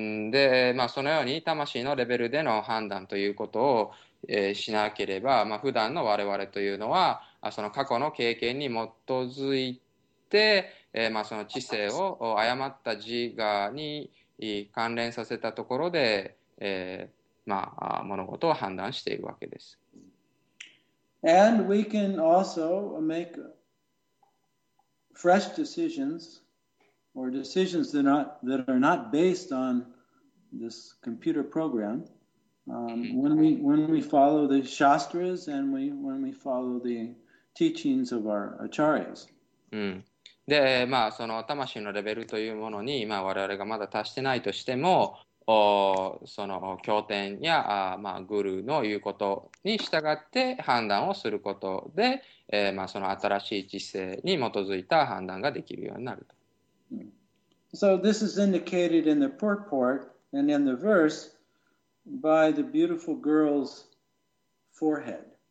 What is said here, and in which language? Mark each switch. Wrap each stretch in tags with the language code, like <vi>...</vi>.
<ja>で、そのように魂のレベルでの判断ということを、しなければ、普段の我々というのはその過去の経験に基づいて、その知性を誤った自我に関連させたところで、物事を判断しているわけです。</ja> <en>And we can also make fresh decisionsor decisions that are not based on this computer program, when we follow the shastras and when we follow the teachings of our acharyas.</en> <ja>で、その魂のレベルというものに、我々がまだ達してないとしても、その経典や、グルの言うことに従って判断をすることで、その新しい知性に基づいた判断ができるようになると。</ja> <en>So this is indicated in the purport and in the verse by the beautiful girl's forehead.</en>